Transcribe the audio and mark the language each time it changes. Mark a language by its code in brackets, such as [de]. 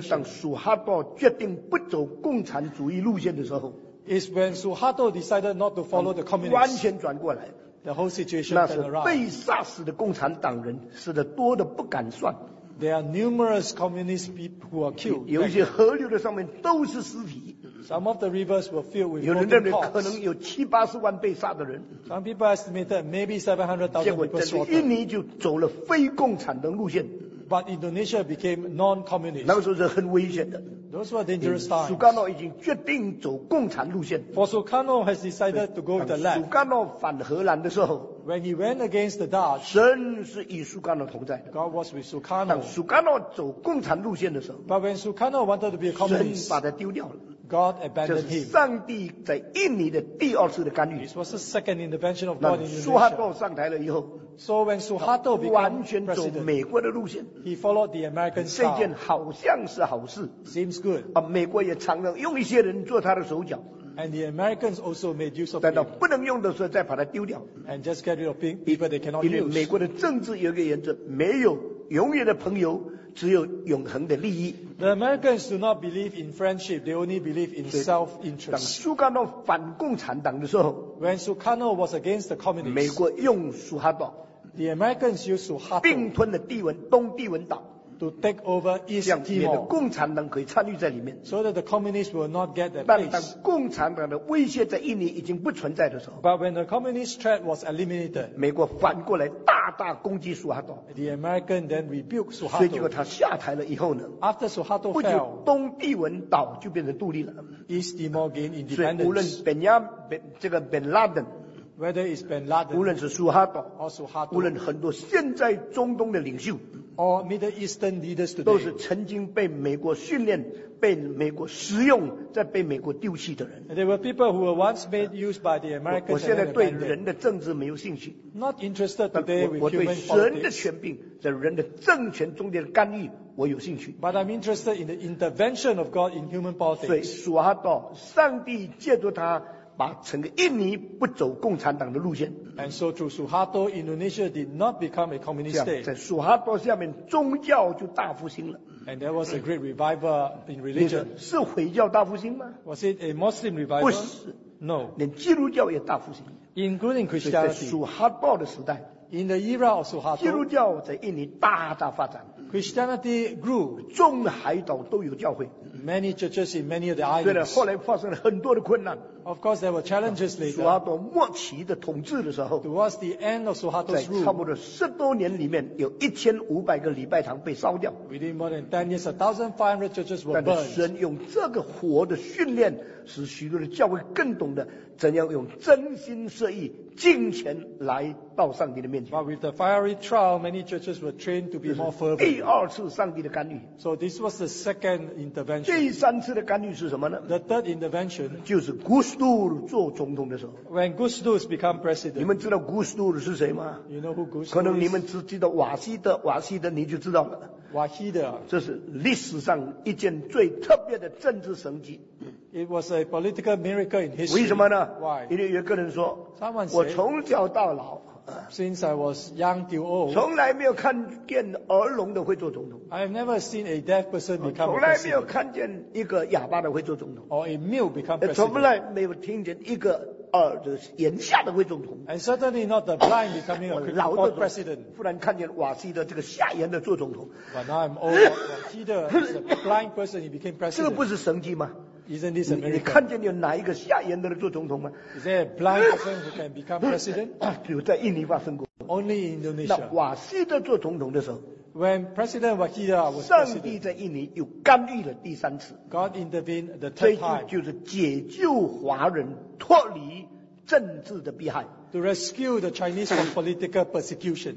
[zh] 就当苏哈多决定不走共产主义路线的时候。 [en] Is when Suharto decided not to follow the communists. [zh] 完全转过来。 [en] The whole situation turned around. [zh] 那是被杀死的共产党人，死得多得不敢算。 [en] There are numerous communist people who are killed. [zh] 有一些河流的上面都是尸体。 [en] Some of the rivers were filled with rotten corpses. [zh] 有人认为可能有七八十万被杀的人。 [en] Some people estimated maybe 700,000 people slaughtered. [zh] 结果印尼就走了非共产的路线。 [en] But Indonesia became non-communist. [zh] 那个时候是很危险的。 [en] Those were dangerous times. [zh] Sukarno 已经决定走共产路线。 [en] For Sukarno has decided to go the left. [zh] Sukarno 反荷兰的时候 [en] ，When he went against the Dutch， [zh] 神是与 Sukarno 同在的。 [en] God was with Sukarno. [zh] 当 Sukarno 走共产路线的时候 [en] ，But when Sukarno wanted to be a communist， [zh] 神把他丢掉了。 [en] God abandoned him. [zh] 上帝在印尼的第二次的干预。 [en] This was the second intervention of God in Indonesia. [zh] 苏哈多上台了以后 [en] ，So when Suharto became president， [zh] 完全走美国的路线。 [en] He followed the American style. [zh] 这件好像是好事。 [en] Seems good. [zh] 啊，美国也常常用一些人做他的手脚。 [en] And the Americans also made use of [zh] it. 但到不能用的时候再把它丢掉。 [en] And just get rid of people they cannot use. [zh] 因为美国的政治有一个原则，没有永远的朋友。只有永恒的利益。 [en] The Americans do not believe in friendship; they only believe in self-interest. [zh] 当苏卡诺反共产党的时候 [en] ，When Sukarno was against the communists， [zh] 美国用苏哈多 [en] ，The Americans used 苏哈多， [zh] 并吞了帝汶东帝汶岛 [en] ，to take over East Timor， [zh] 这样免得共产党可以参与在里面。 [en] So that the communists will not get that [zh] place. 但当共产党的威胁在印尼已经不存在的时候 [en] ，But when the communist threat was eliminated， [zh] 美国反过来大。大攻击苏哈多 [en] ，The American then rebuked Suharto。 [zh] 所以结果他下台了以后呢 [en] ，After Suharto fell， [zh] 不久东帝汶岛就变成独立了 [en] ，East Timor gained independence。 [zh] 所以无论本亚本这个本拉登 [en] ，Whether is Bin Laden， [zh] 无论是苏哈多 [en] ，or Suharto， [zh] 无论很多现在中东的领袖 [en] ，or Middle Eastern leaders today， [zh] 都是曾经被美国训练。被美国使用，再被美国丢弃的人。 [en] There were people who were once made use by the Americans. [zh] 我现在对人的政治没有兴趣。 [en] Not interested today with human politics. [zh] 我对神的权柄，在人的政权中间的干预，我有兴趣。 [en] But I'm interested in the intervention of God in human politics. [zh] 所以苏哈多，上帝借助他，把整个印尼不走共产党的路线。 [en] And so through Suharto, Indonesia did not become a communist state. [zh] 在苏哈多下面，宗教就大复兴了。 [en] And there was a great revival in religion. [zh] 是回教大复兴吗？ [en] Was it a Muslim revival? [zh] 不是。 [en] No. [zh] 连基督教也大复兴。 [en] Including Christianity. [zh] 在苏哈多的时代。 [en] In the era of Suharto. [zh] 基督教在印尼大大发展。 [en] Christianity grew. [zh] 中海岛都有教会。 [en] Many churches in many of the islands. [zh] 对了，后来发生了很多的困难。 [en] Of course, there were challenges later. [zh] 苏哈多末期的统治的时候。 [en] Towards the end of Suharto's rule. [zh] 在差不多十多年里面，有1500个礼拜堂被烧掉。 [en] Within more than 10 years, 1,500 churches were burned. [zh] 但是神用这个火的训练，使许多的教会更懂得怎样用真心实意、敬虔来到上帝的面前。 [en] But with the fiery trial, many churches were trained to be more fervent. [zh] 第二次上帝的干预。 [en] So this was the second intervention. [zh] 第三次的干预是什么呢？ [en] The third intervention [zh] 就是 Gusdur 做总统的时候。 [en] When Gusdur become president. [zh] 你们知道 Gusdur 是谁吗？ [en] You know who Gusdur is? [zh] 可能你们只记得瓦西德，瓦西德你就知道了。瓦西德，这是历史上一件最特别的政治神迹。 [en] It was a political miracle in history. [zh] 为什么呢？ [en] Why? [zh] 因为有个人说， [en] Someone said, [zh] 我从小到老。 [en] Since I was young till old, [zh] 从来没有看见耳聋的会做总统。 [en] I have never seen a deaf person become president. [zh] 从来没有看见一个哑巴的会做总统。 [en] Or a mute become president. [zh] 从来没有听见一个耳的眼瞎的会做总统。 [en] And certainly not the blind becoming a president. [zh] 忽然看见瓦西德这个瞎眼的做总统。 [en] But now I'm old. 瓦西德 is a blind person. He became president. [zh] 这个不是神迹吗？ [en] Isn't this America? [zh] 你看见有哪一个瞎眼的人做总统吗？ [en] Is there a blind person who can become president? [zh] 有在印尼发生过。 [en] Only in Indonesia. [zh] 那瓦西德做总统的时候， [en] When President Wahida was president, [zh] 上帝在印尼又干预了第三次。 [en] God intervened the third time. [zh] 这一句就是解救华人脱离政治的迫害。 [en] To rescue the Chinese from political persecution.